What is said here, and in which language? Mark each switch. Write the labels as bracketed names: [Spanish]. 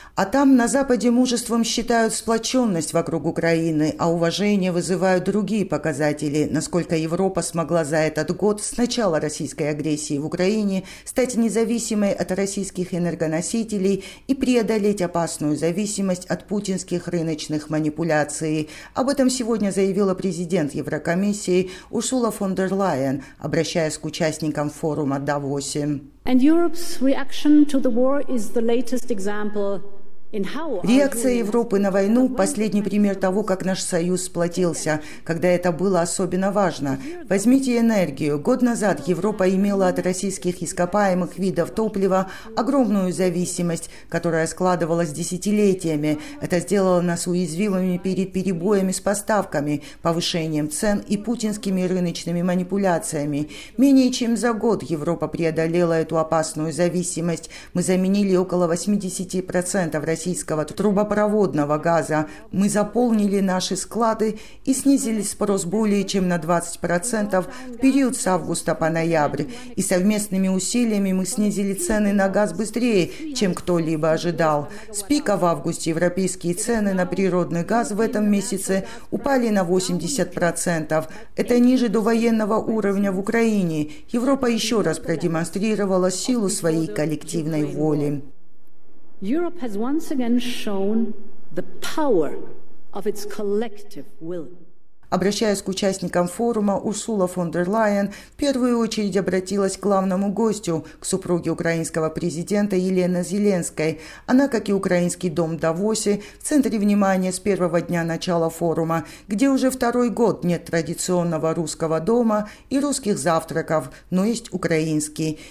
[Russian] А там на Западе мужеством считают сплоченность вокруг Украины, а уважение вызывают другие показатели, насколько Европа смогла за этот год с начала российской агрессии в Украине стать независимой от российских энергоносителей и преодолеть опасную зависимость от путинских рыночных манипуляций. Об этом сегодня заявила президент Еврокомиссии Урсула фон дер Лайен, обращаясь к участникам форума Давосе. [English] And Europe's reaction to the war is the latest example. [Russian] Реакция Европы на войну – последний пример того, как наш Союз сплотился, когда это было особенно важно. Возьмите энергию. Год назад Европа имела от российских ископаемых видов топлива огромную зависимость, которая складывалась десятилетиями. Это сделало нас уязвимыми перед перебоями с поставками, повышением цен и путинскими рыночными манипуляциями. Менее чем за год Европа преодолела эту опасную зависимость. Мы заменили около 80% российского трубопроводного газа. Мы заполнили наши склады и снизили спрос более чем на 20% в период с августа по ноябрь. И совместными усилиями мы снизили цены на газ быстрее, чем кто-либо ожидал. С пика в августе европейские цены на природный газ в этом месяце упали на 80%. Это ниже довоенного уровня в Украине. Европа еще раз продемонстрировала силу своей коллективной воли. [English] Europe has once again shown the power of its collective will. [Russian] Обращаясь к участникам форума, Урсула фон дер Лайен в первую очередь обратилась к главному гостю, к супруге украинского президента Елены Зеленской. Она, как и украинский дом в Давосе, в центре внимания с первого дня начала форума, где уже второй год нет традиционного русского дома и русских завтраков, но есть украинский.